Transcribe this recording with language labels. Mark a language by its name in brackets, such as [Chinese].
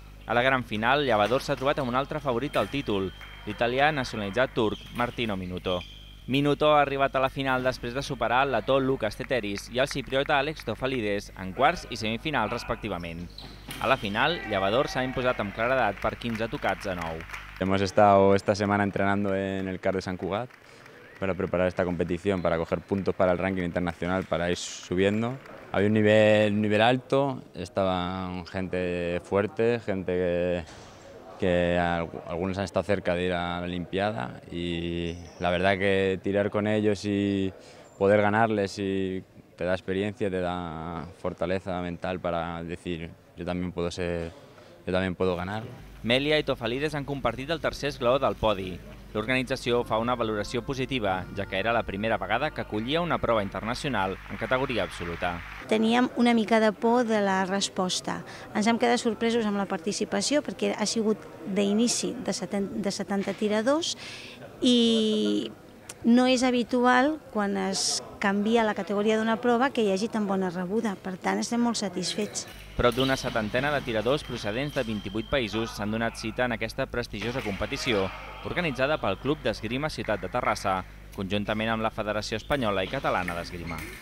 [Catalan] A la gran final, Llavador s'ha trobat amb un altre favorit al títol, l'italià nacionalitzat turc Martino Minuto. Minuto ha arribat a la final després de superar el letó Lucas Teteris i el cipriota Alex Tofalides en quarts i semifinals respectivament. A la final, Llavador s'ha imposat amb claredat per 15 tocats a 9. [Spanish] Hemos estado esta semana entrenando en el CAR de San Cugat para preparar esta competición, para coger puntos para el ranking internacional, para ir subiendo. Había un nivel alto, estaban gente fuerte, gente que algunos han estado cerca de ir a la Olimpiada, y la verdad que tirar con ellos y poder ganarles y te da experiencia, te da fortaleza mental para decir yo también puedo ganar. [Catalan] Melia i Tofalides han compartit el tercer esglaó del podi. L'organització fa una valoració positiva, ja que era la primera vegada que acollia una prova internacional en categoria absoluta. Teníem una mica de por de la resposta. Ens hem quedat sorpresos amb la participació, perquè ha sigut d'inici de 70 tiradors i no és habitual, quan es canvia la categoria d'una prova, que hi hagi tan bona rebuda. Per tant, estem molt satisfets. Prop d'una 70ena de tiradors procedents de 28 països s'han donat cita en aquesta prestigiosa competició, organitzada pel Club d'Esgrima Ciutat de Terrassa, conjuntament amb la Federació Espanyola i Catalana d'Esgrima.